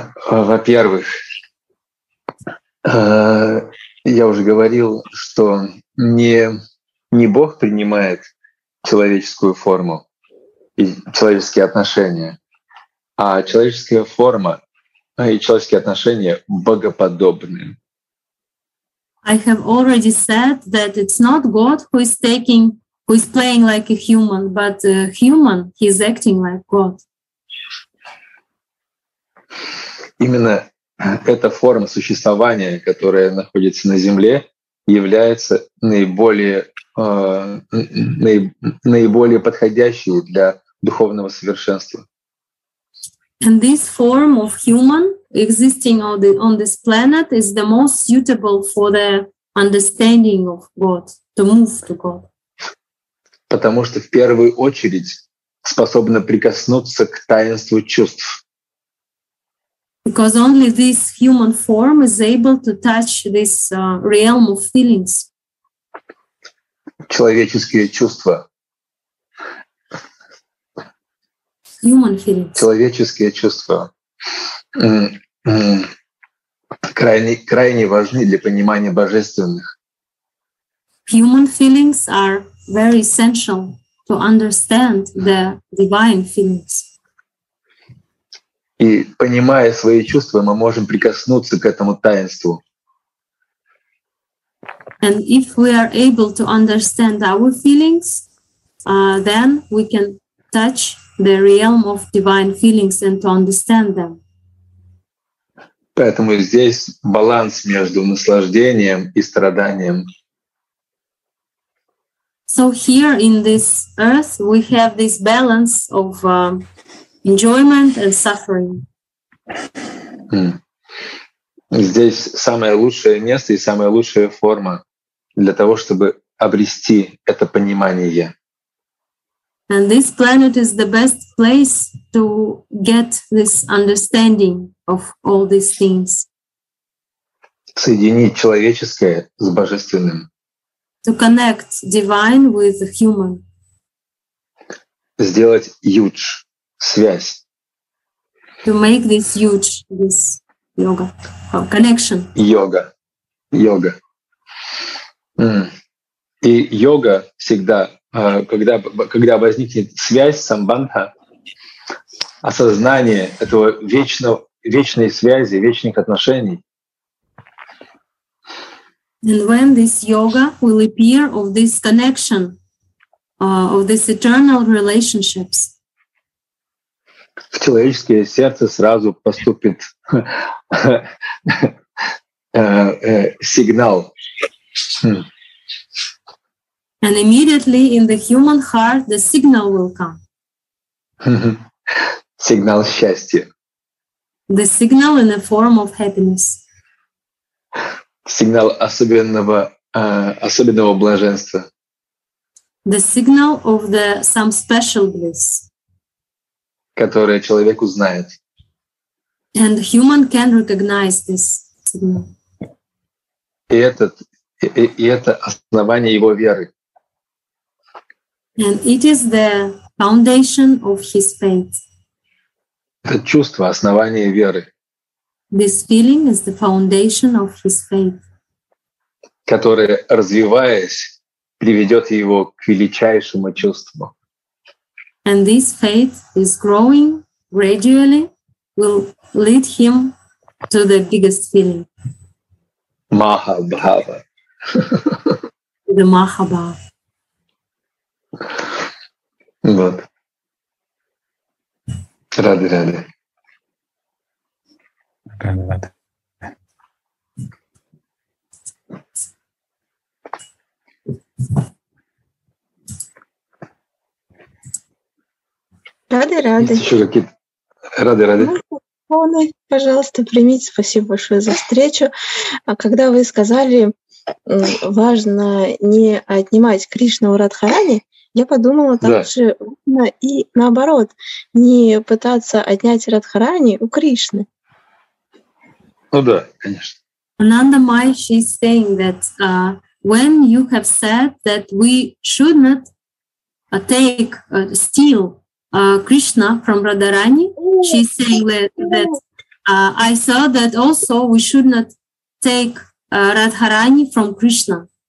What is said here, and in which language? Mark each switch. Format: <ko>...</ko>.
<ru>Во-первых, я уже говорил, что не Бог принимает человеческую форму и человеческие отношения, а человеческая форма и человеческие отношения богоподобны.</ru> <en>I have already said that it's not God who is taking who is playing like a human, but a human, he is acting like God.</en> <ru>Именно эта форма существования, которая находится на Земле, является наиболее подходящей для духовного совершенства.</ru> <en>And this form of human existing on this planet is the most suitable for the understanding of God, to move to God.</en> <ru>Потому что в первую очередь способна прикоснуться к таинству чувств.</ru> <en>Because only this human form is able to touch this realm of feelings.</en> <ru>Человеческие чувства.</ru> <en>Human feelings.</en> <ru>Человеческие чувства крайне важны для понимания божественных.</ru> <en>Human feelings are very essential to understand the divine feelings.</en> <ru>И понимая свои чувства, мы можем прикоснуться к этому таинству.</ru> <en>And if we are able to understand our feelings, then we can touch the realm of divine feelings and to understand them.</en> <ru>Поэтому здесь баланс между наслаждением и страданием.</ru> <en>So here in this earth we have this balance of enjoyment and suffering.</en> <ru>Здесь самое лучшее место и самая лучшая форма для того, чтобы обрести это понимание.</ru> <en>And this planet is the best place to get this understanding of all these things.</en> <ru>Соединить человеческое с божественным.</ru> <en>To connect divine with the human.</en> <ru>Сделать юдж. Связь.</ru> <en>To make this huge, this yoga, oh, connection.</en> <ru>Йога. Йога. И йога всегда, когда возникнет связь, самбандха, осознание этого вечной связи, вечных отношений.</ru> <en>And when this yoga will appear of this connection, of this eternal relationships,</en> <ru>в человеческое сердце сразу поступит сигнал.</ru> <en>And immediately in the human heart the signal will come.</en> <ru>Сигнал счастья.</ru> <en>The signal in the form of happiness.</en> <ru>Сигнал особенного блаженства.</ru> <en>The signal of the some special bliss.</en> <ru>Которое человек узнает.</ru> <en>And human can recognize this signal.</en> <ru>И это основание его веры.</ru> <en>And it is the foundation of his faith.</en> <ru>Это чувство, основание веры.</ru> <en>This feeling is the foundation of his faith.</en> <ru>Которое, развиваясь, приведет его к величайшему чувству.</ru> <en>And this faith is growing gradually, will lead him to the biggest feeling. Mahabhava. The Mahabhava.</en> <ru>Вот. Рады. Рады. Можно, пожалуйста, примите. Спасибо большое за встречу. А когда вы сказали, важно не отнимать Кришну у Радхарани, я подумала также, да, и наоборот, не пытаться отнять Радхарани у Кришны. Ну да, конечно.</ru> <en>Ананда Май, she's saying that when you have said that we should not take steal Krishna from Radharani, she's saying that I saw that also we should not take Radharani from Krishna.</en>